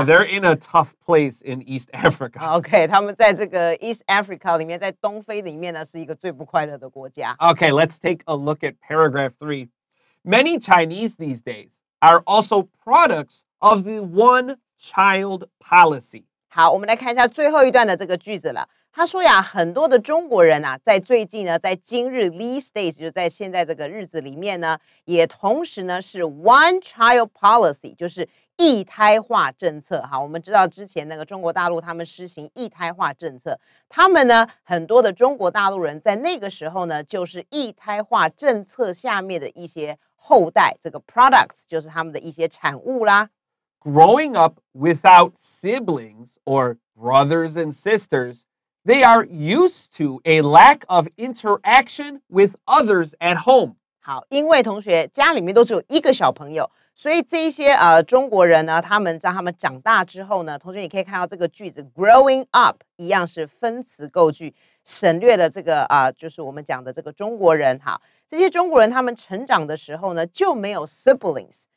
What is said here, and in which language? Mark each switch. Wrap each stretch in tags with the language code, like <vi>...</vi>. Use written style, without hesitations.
<en>Yeah, they're in a tough place in East Africa.</en> <zh>Okay, 他们在这个 East Africa 里面，在东非里面呢是一个最不快乐的国家。</zh> <en>Okay, let's take a look at paragraph 3. Many Chinese these days are also products of the one-child policy.</en> <zh>好，我们来看一下最后一段的这个句子了。他说呀，很多的中国人啊，在最近呢，在今日 these days 就在现在这个日子里面呢，也同时呢是 one-child policy， 就是一胎化政策。好，我们知道之前那个中国大陆他们施行一胎化政策，他们呢很多的中国大陆人在那个时候呢，就是一胎化政策下面的一些后代，这个 products 就是他们的一些产物啦。</zh> <en>Growing up without siblings or brothers and sisters, they are used to a lack of interaction with others at home.</en> <zh>好，因为同学家里面都只有一个小朋友，所以这一些中国人呢，他们在他们长大之后呢，同学你可以看到这个句子 growing up 一样是分词构句，省略了这个就是我们讲的这个中国人。好，这些中国人他们成长的时候呢，就没有 siblings。</zh>